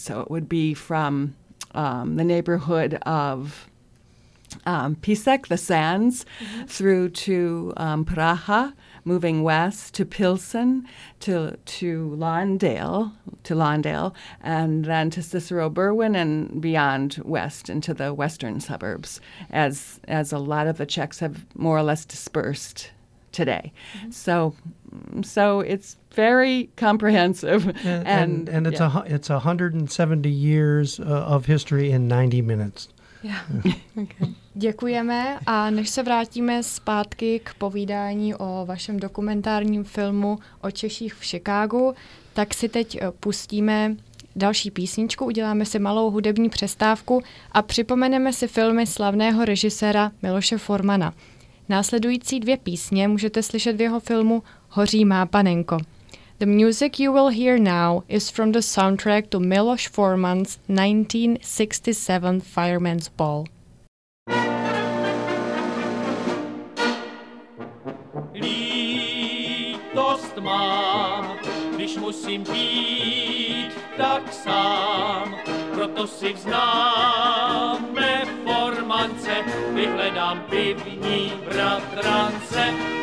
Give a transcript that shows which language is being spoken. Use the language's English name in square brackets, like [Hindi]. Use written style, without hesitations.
[English] So it would be from the neighborhood of Písek, the Sands, through to Praha, moving west to Pilsen, to Lawndale, and then to Cicero Berwyn and beyond west into the western suburbs, as a lot of the Czechs have more or less dispersed today. Mm-hmm. So it's very comprehensive. And it's it's 170 years of history in 90 minutes. Okay. [Czech] Děkujeme a než se vrátíme zpátky k povídání o vašem dokumentárním filmu o Češích v Chicagu, tak si teď pustíme další písničku, uděláme si malou hudební přestávku a připomeneme si filmy slavného režiséra Miloše Formana. Následující dvě písně můžete slyšet v jeho filmu Hoří má panenko. [English] The music you will hear now is from the soundtrack to Miloš Forman's 1967 Fireman's Ball. [Czech] Lítost mám, když musím být tak sám, proto si vznáme formance, vyhledám pivní bratrance.